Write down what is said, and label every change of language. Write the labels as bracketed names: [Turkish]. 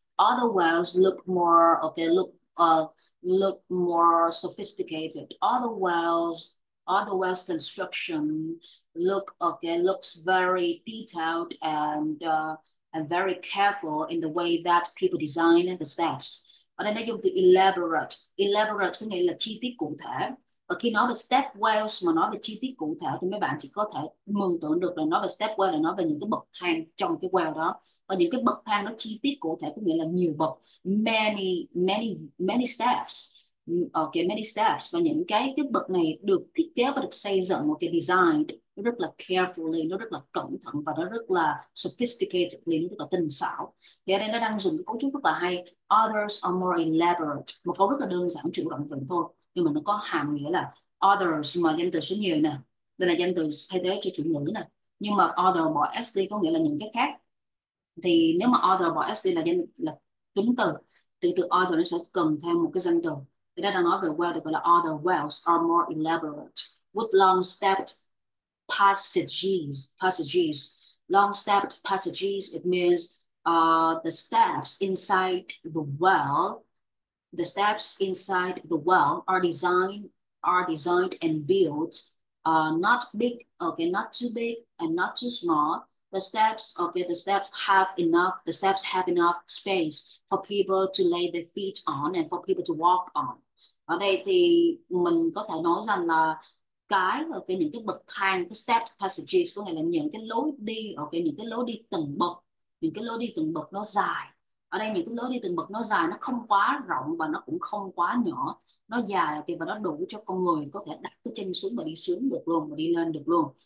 [English] Other wells look more, okay, look more sophisticated. Other wells construction looks very detailed and very careful in the way that people design the steps. [Vietnamese] Ở đây nó dùng từ elaborate. Elaborate có nghĩa là chi tiết cụ thể. Và khi nói về step wells mà nói về chi tiết cụ thể thì mấy bạn chỉ có thể mường tượng được là nói về step well là nói về những cái bậc thang trong cái well đó. Và những cái bậc thang nó chi tiết cụ thể có nghĩa là nhiều bậc. Many, many, many steps. Ok, many steps. Và những cái bậc này được thiết kế và được xây dựng một cái design nó rất là carefully, nó rất là cẩn thận và nó rất là sophisticated, nó rất là tinh xảo. Thì ở đây nó đang dùng cái cấu trúc rất là hay. Others are more elaborate. Một câu rất là đơn giản, chủ động vựng thôi. Nhưng mà nó có hàm nghĩa là others mà danh từ số nhiều nè. Đây là danh từ thay thế cho chủ ngữ nè. Nhưng mà other bỏ SD có nghĩa là những cái khác. Thì nếu mà other bỏ SD là danh là tính từ, thì từ other nó sẽ cần thêm một cái danh từ. Thì đây đang nói về well, thì gọi là other wells are more elaborate. [English] With long stepped passages. Long stepped passages, it means the steps inside the well, are designed and built not big, okay, not too big and not too small. The steps have enough space for people to lay their feet on and for people to walk on. [Vietnamese] Ở đây thì mình có thể nói rằng là những cái bậc thang, cái step passages có nghĩa là những cái lối đi, những cái lối đi từng bậc, những cái lối đi từng bậc nó dài. Ở đây những cái lối đi từng bậc nó dài, nó không quá rộng và nó cũng không quá nhỏ, nó dài và nó đủ cho con người có thể đặt cái chân xuống và đi xuống được luôn và đi lên được luôn.